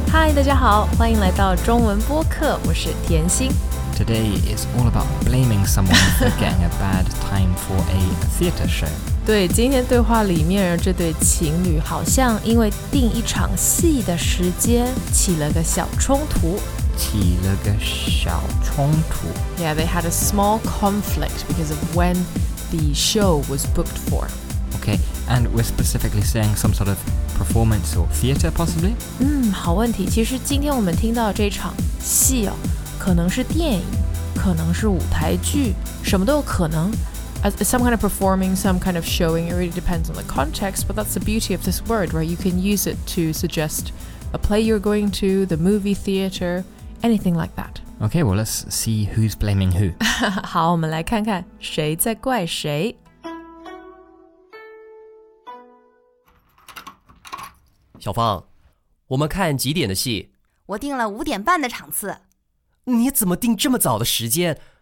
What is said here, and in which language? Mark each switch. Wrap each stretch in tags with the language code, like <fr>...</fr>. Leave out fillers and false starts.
<zh>Hi, 大家好，欢迎来到中文播客，我是甜心。</zh> <en>Today is all about blaming someone for getting a bad time for a theater show.</en> <zh>对，今天对话里面这对情侣好像因为订一场戏的时间起了个小冲突。起了个小冲突。</zh> <en>Yeah, they had a small conflict because of when the show was booked for. Okay, and we're specifically saying some sort of performance or theater possibly?</en> <zh>好问题。其实今天我们听到这场戏哦，可能是电影，可能是舞台剧，什么都有可能。</zh> <en>Some kind of performing, some kind of showing, it really depends on the context, but that's the beauty of this word, right? You can use it to suggest a play you're going to, the movie theater, anything like that. Okay, well, let's see who's blaming who.</en> <zh>好，我们来看看谁在怪谁。小芳，我们看几点的戏？我订了5:30的场次。你怎么订这么早的时间？</zh>